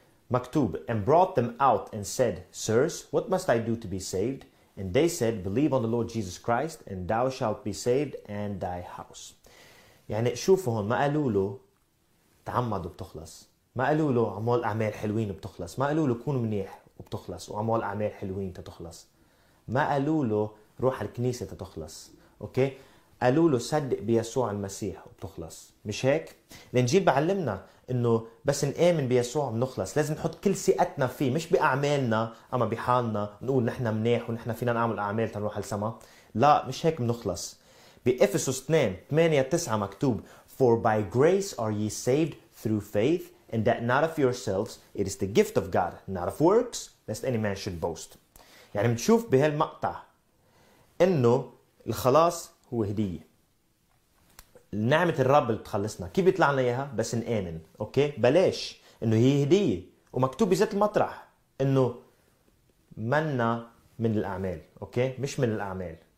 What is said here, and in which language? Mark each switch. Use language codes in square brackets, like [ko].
[ar] مكتوب [en] And brought them out and said Sirs, what must I do to be saved? And they said Believe on the Lord Jesus Christ and thou shalt be saved and thy house. [ar] يعني شوفوا هون ما قالوا له تعمد وبتخلص، ما قالوا له عمول أعمال حلوين وبتخلص، ما قالوا له كون منيح وبتخلص وعمول أعمال حلوين تتخلص، ما قالوا له روح الكنيسة تتخلص. أوكي؟ قالوا له صدق بيسوع المسيح وبتخلص، مش هيك؟ الإنجيل بعلمنا إنه بس نآمن بيسوع بنخلص. لازم نحط كل ثقتنا فيه، مش بأعمالنا، أما بحالنا نقول نحن منيح ونحن فينا نعمل أعمال تنروح على السما. لا، مش هيك بنخلص. بإفسس 2:8-9 مكتوب [en] For by grace are ye saved through faith and that not of yourselves, it is the gift of God, not of works, lest any man should boast. [ar] يعني بنشوف بهالمقطع إنه الخلاص هو هدية، نعمة الرب اللي بتخلصنا. كيف بيطلعنا إياها؟ بس نآمن. أوكي؟ بلاش إنه هي هدية، ومكتوب بذات المطرح إنه منا من الأعمال. أوكي؟ مش من الأعمال.